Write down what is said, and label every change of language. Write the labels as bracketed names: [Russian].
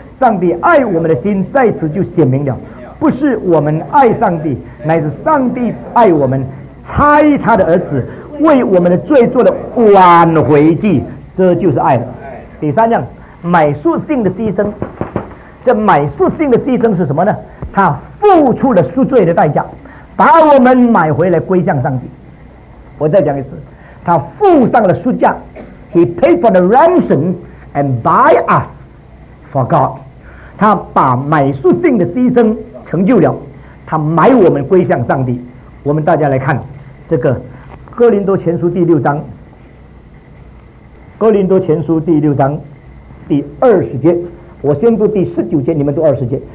[Chinese] 上帝爱我们的心在此就显明了，不是我们爱上帝，乃是上帝爱我们，差他的儿子为我们的罪做了挽回祭，这就是爱了。第三样，买赎性的牺牲。这买赎性的牺牲是什么呢？他付出了赎罪的代价，把我们买回来归向上帝。我再讲一次，他付上了赎价。 [English] He paid for the ransom and buy us for God。 [Chinese] 他把买赎性的牺牲成就了，他买我们归向上帝。我们大家来看这个哥林多前书第六章，哥林多前书第六章第20节，我先读19节，你们读20节。